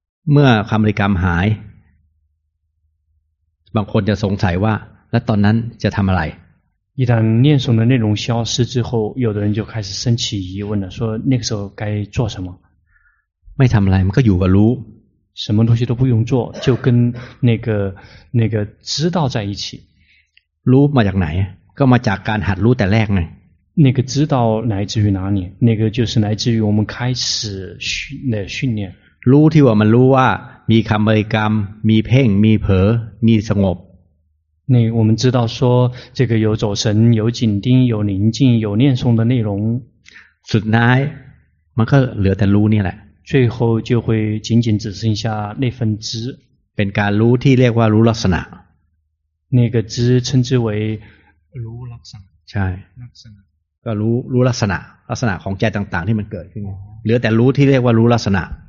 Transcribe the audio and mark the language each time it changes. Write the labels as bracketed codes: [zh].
[th] เมื่อคำบริกรรมหายบางคนจะสงสัยว่าแล้วตอนนั้นจะทำอะไร [zh] 一旦念诵的内容消失之后有的人就开始升起疑问了说那个时候该做什么 [th] ไม่ทำอะไรมันก็อยู่กับรู้ [zh] 什么东西都不用做就跟那个知道在一起 [th] รู้มาจากไหนก็มาจากการหัดรู้แต่แรกไง [zh] 那个知道来自于哪里那个就是来自于我们开始的训练 [th] รู้ที่ว่ามันรู้ว่ามีคำบริกรรมมีเพ่งมีเผลอมีสงบ [zh] 那我们知道说这个有走神有紧盯有宁静有念诵的内容 [th] สุดท้ายมันก็เหลือแต่รู้นี่แหละ [zh] 最后就会仅仅只剩下那份知 [th] เป็นการรู้ที่เรียกว่ารู้ลักษณะ [zh] 那个知称之为 [th] รู้ลักษณะ ใช่ลักษณะก็รู้ลักษณะลักษณะของใจต่างๆที่มันเกิดขึ้นเหลือแต่รู้ที่เรียกว่ารู้ลักษณะ